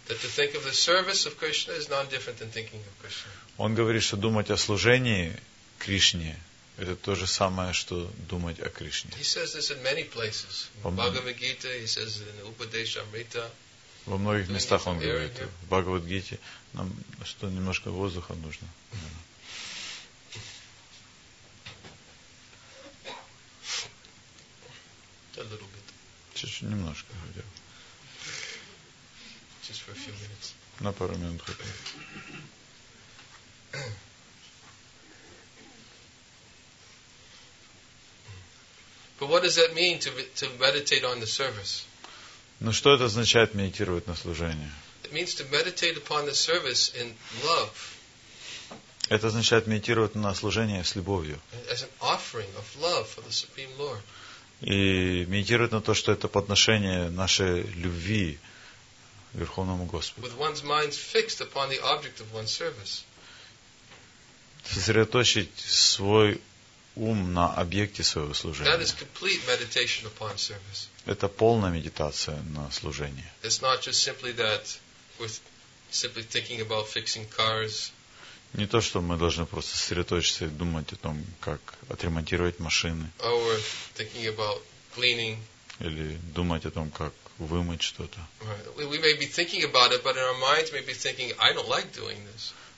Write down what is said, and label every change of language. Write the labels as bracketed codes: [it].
[en] That to think of the service of Krishna is not different than thinking of Krishna. [ru] Он говорит, что думать о служении Кришне это то же самое, что думать о Кришне. [en] He says this in many places. Bhagavad Gita, he says it in Upadeshamrita. [ru] Во многих местах он говорит. В Бхагавад Гите нам что немножко воздуха нужно. [en] A little bit. [ru] Чуть-чуть немножко хотя бы. [en] Just for a few minutes. [ru] На пару минут хотя бы. [en] But what does that mean to meditate on the service? [ru] Но что это означает медитировать на служение? [en] It means to meditate upon the service in love. [ru] Это означает медитировать на служение с любовью. [en] As an offering of love for the Supreme Lord. [ru] И медитировать на то, что это подношение нашей любви Верховному Господу. [en] With one's mind fixed upon the object of one's service. [ru] Сосредоточить свой ум на объекте своего служения. [en] That is complete meditation upon service. [ru] Это полная медитация на служение. [en] It's not just simply that with simply thinking about fixing cars. [ru] Не то, что мы должны просто сосредоточиться и думать о том, как отремонтировать машины. [en] Or thinking about cleaning. [ru] Или думать о том, как вымыть что-то. [en] Right. We may be thinking about it, but in our minds may be thinking, I don't like doing this.